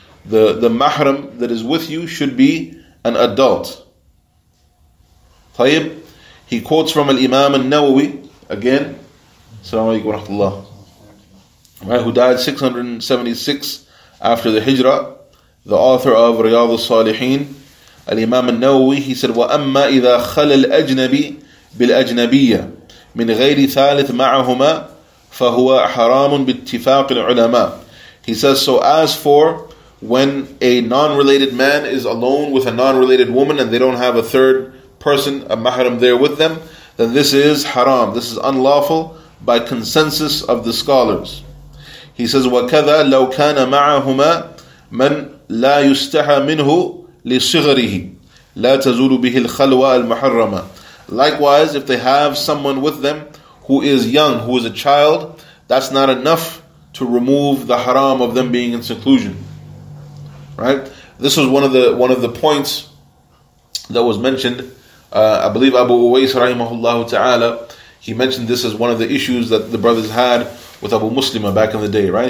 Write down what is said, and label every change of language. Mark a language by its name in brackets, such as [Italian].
[English] The mahram that is with you should be an adult. Tayyib. He quotes from Al-Imam al-Nawawi, again, [Arabic] Assalamu alaykum wa rahmatullah, [English] right, who died 676 after the Hijrah, the author of Riyadh al-Salihin. [Arabic] Al-Imam al-Nawawi, he said, وَأَمَّا إِذَا خَلَ الْأَجْنَبِي بِالْأَجْنَبِيَّ مِنْ غَيْرِ ثَالِثْ مَعَهُمَا فَهُوَ حَرَامٌ بِالْتِفَاقِ الْعُلَمَاءِ. [English] He says, so as for when a non-related man is alone with a non-related woman and they don't have a third person, a mahram, there with them, then this is haram. This is unlawful by consensus of the scholars. [Arabic] He says, وَكَذَا لَوْ كَانَ مَعَهُمَا مَنْ لَا يُسْتَحَى مِنْهُ لِصِغَرِهِ لَا تَزُولُ بِهِ الْخَلْوَى الْمُحَرَّمَةِ. [English] Likewise, if they have someone with them who is young, who is a child, that's not enough to remove the haram of them being in seclusion. Right? This was one of the points that was mentioned. I believe Abu Uwais rahimahullah ta'ala, he mentioned this as one of the issues that the brothers had with Abu Muslima back in the day, right?